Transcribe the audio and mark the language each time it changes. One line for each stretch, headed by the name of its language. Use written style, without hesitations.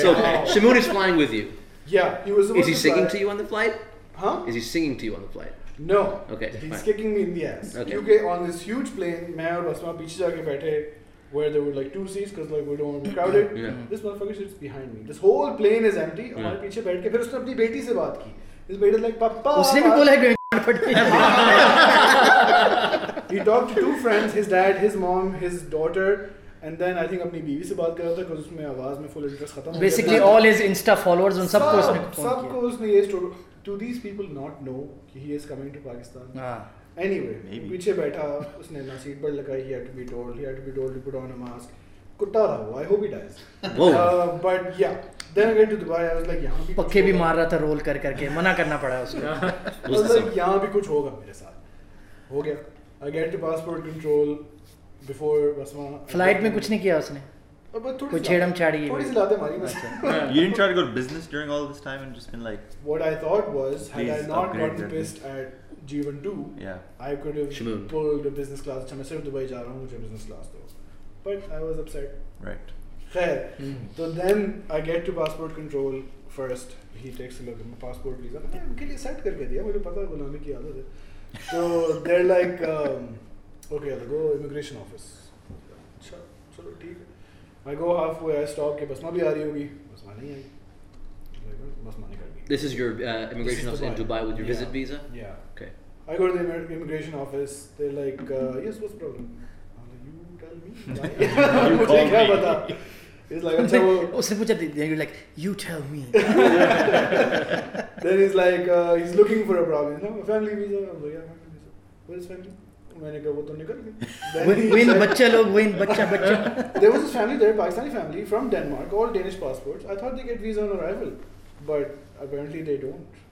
English: So Shamoon is flying with you. Yeah, he was the one. Is he singing to you on the flight? Huh? Is he singing to you on the flight? No. Okay. He's fine. Kicking me in the ass. Okay. UK on this huge plane,
Hindi: main aur Basma beech ja ke baithe,
English: where there were like two seats because like we don't want to be crowded. Yeah. Yeah. This motherfucker sits behind me. This whole plane is empty.
Hindi: हमारे पीछे बैठ के फिर उसने अपनी बेटी से बात की.
English: His baby is like papa.
Hindi: उसने भी बोला है
English: He talked to two friends, his dad, his mom, his daughter, and then I think
Hindi: अपनी बीवी से बात कर रहा था क्योंकि उसमें आवाज़ में full interest खत्म हो गया.
English: Basically all his Insta followers
Hindi: उन सबको उसने फोन किया. सबको उसने ये story.
English: Do these people not know that he is coming to Pakistan?
Hindi: Anyway, पीछे बैठा उसने ना seat belt लगाई.
English: He had to be told to put on a mask.
Hindi: कुत्ता रहा हुआ.
English: I hope he dies. But yeah. Then I went to Dubai. I was like,
Hindi: यहाँ भी पक्के भी मार रहा था roll कर करके मना करना पड़ा उसको. मतलब यहाँ भी कुछ होगा मेरे साथ. हो गया.
English: I get to passport control before Basma.
Hindi: Flight में कुछ नहीं किया उसने. कुछ छेड़म छाड़ी है. थोड़ी सी लातें मारी बस.
English: You didn't try to go to business during all this time and just been like. What I thought was, had I not gotten pissed at G1 2, yeah. I could have Shmoon. Pulled a business class.
Hindi: अच्छा मैं सिर्फ Dubai जा रहा हूँ मुझे business class दो.
English: But I was upset. Right.
Hindi: खैर.
English: तो then I get to passport control first. He takes a look at my passport visa.
Hindi: मैंने उनके लिए set करके दिया. मुझे पता है गुलामी की आदत है.
English: So they're like, okay, I'll go immigration office.
Hindi: चलो ठीक है.
English: I go halfway, I stop.
Hindi: के बसमा भी आ रही होगी. बसमा नहीं आई. बसमा नहीं कर गई.
English: This is your immigration office in Dubai with your visit visa. Yeah. Okay. I go to the immigration office. They're like, yes, what's the problem? I'm like, you tell me. You call me. He's like,
Hindi: अच्छा वो उसने पूछा.
English: Then you're like, you tell me. Then he's like, he's looking for a problem. No, family visa. I'm like, yeah, family visa. Where's family?
Hindi: मैंने कहा वो तो निकल गए. Win बच्चे लोग win बच्चा बच्चा.
English: There was a family there, Pakistani family from Denmark, all Danish passports. I thought they get visa on arrival, but apparently they don't.